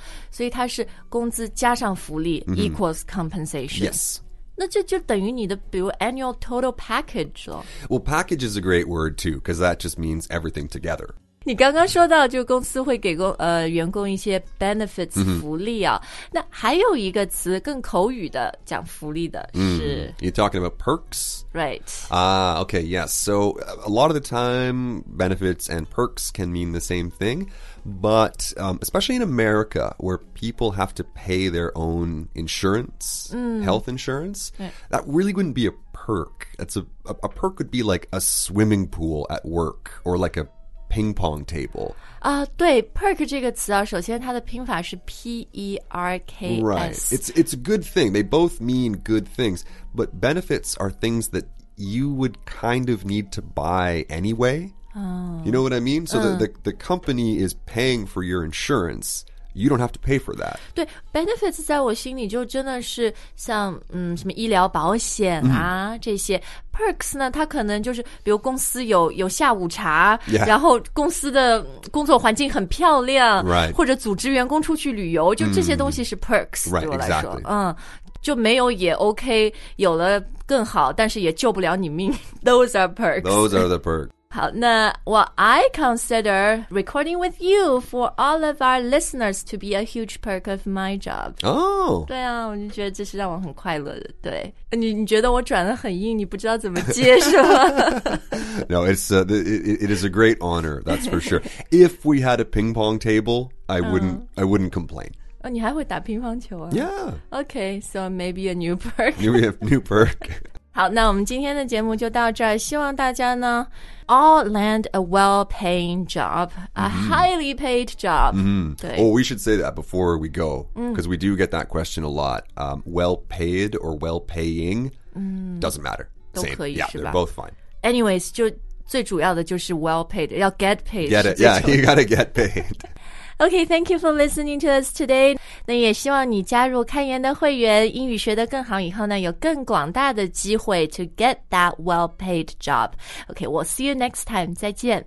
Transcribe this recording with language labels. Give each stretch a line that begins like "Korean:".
Chinese: 所以它是工资加上福利、 mm-hmm.
English: equals compensation. Yes.
Chinese: 那这就等于你的比如 annual total package 了。
English: Well, package is a great word too, because that just means everything together.
Chinese: 你刚刚说到就公司会给员工一些 benefits、 mm-hmm. 福利啊。那还有一个词更口语的讲福利的是。 Mm-hmm.
English: You're talking about perks? Right. Okay, yes. So a lot of the time, benefits and perks can mean the same thing. But、especially in America, where people have to pay their own insurance,、 mm. health insurance,、 right. that really wouldn't be a perk. A perk would be like a swimming pool at work or like a ping pong table.
Chinese: 啊、对 ,perk 这个词啊首先它的拼法是 P-E-R-K-S.
English: Right. It's a good thing. They both mean good things. But benefits are things that you would kind of need to buy anyway. You know what I mean? So、the company is paying for your insurance. You don't have to pay for that.
Chinese: 对 benefits 在我心里就真的是像、什么医疗保险啊、 mm-hmm. 这些 perks 呢它可能就是比如公司 有下午茶、
English: yeah.
Chinese: 然后公司的工作环境很漂亮、
English: right.
Chinese: 或者组织员工出去旅游就这些东西是 perks、 mm-hmm. 对我来说、
English: right, exactly.
Chinese: 就没有也 OK 有了更好但是也救不了你命
English: Those are perks. Those are the perks.
Chinese: 好，那
English: what I consider recording with you for all of our listeners to be a huge perk of my job. 哦、oh.
Chinese: 对啊，我就觉得这是让我很快乐的。对，你觉得我转得很硬，你不知道怎么接是吗？
English: No, it is a great honor, that's for sure. If we had a ping pong table, I wouldn't complain.
Chinese: 哦，你还会打乒乓球啊？
English: Yeah. Okay, so maybe a new perk. New perk.
Chinese: 好，那我们今天的节目就到这儿，希望大家呢
English: All land a well-paying job,
Chinese: a、mm-hmm.
English: highly paid job.、 Mm-hmm. Oh, we should say that before we go, because、mm. we do get that question a lot.、well-paid or well-paying,、mm. doesn't matter.
Chinese: 都可以
English: yeah,
Chinese: 是吧
English: Yeah, they're both fine. Anyways,
Chinese: 就最主要的就是 well-paid, 要 get paid.
English: Get it, yeah, you gotta get paid. Okay, thank you for listening to us today.
Chinese: 那也希望你加入看言的会员，英语学得更好以后呢，有更广大的机会
English: to get that well-paid job. Okay, we'll see you next time.
Chinese: 再见。